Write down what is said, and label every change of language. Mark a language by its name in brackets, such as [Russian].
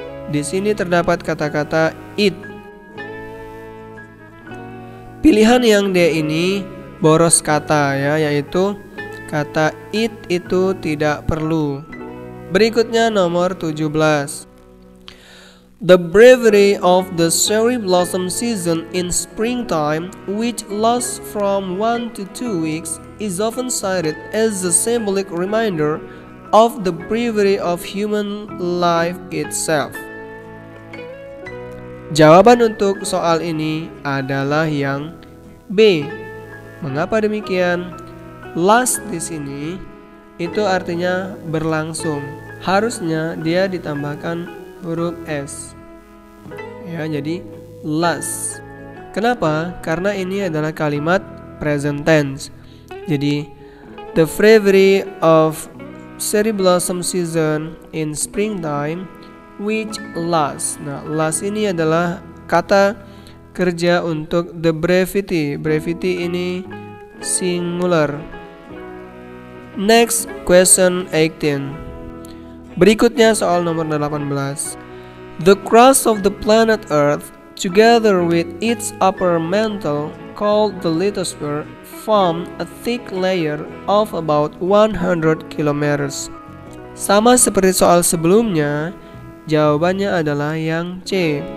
[Indonesian] Di sini terdapat kata-kata it. Pilihan yang D ini boros kata, ya, yaitu kata it itu tidak perlu. Berikutnya nomor 17. [English] The brevity of the cherry blossom season in springtime, which lasts from 1 to 2 weeks, is often cited as a symbolic reminder of the brevity of human life itself. [Indonesian] Jawaban untuk soal ini adalah yang B. Mengapa demikian? Last di sini itu artinya berlangsung. Harusnya dia ditambahkan huruf S. Ya, jadi last. Kenapa? Karena ini adalah kalimat present tense. Jadi [English] the fragrance of cherry blossom season in springtime which last. [Indonesian] Nah, last ini adalah kata kerja untuk the brevity. Brevity ini singular. [English] Next question 18. [Indonesian] Berikutnya soal nomor 18. [English] The crust of the planet Earth, together with its upper mantle, called the lithosphere, form a thick layer of about 100 kilometers. [Indonesian] Sama seperti soal sebelumnya, jawabannya adalah yang C.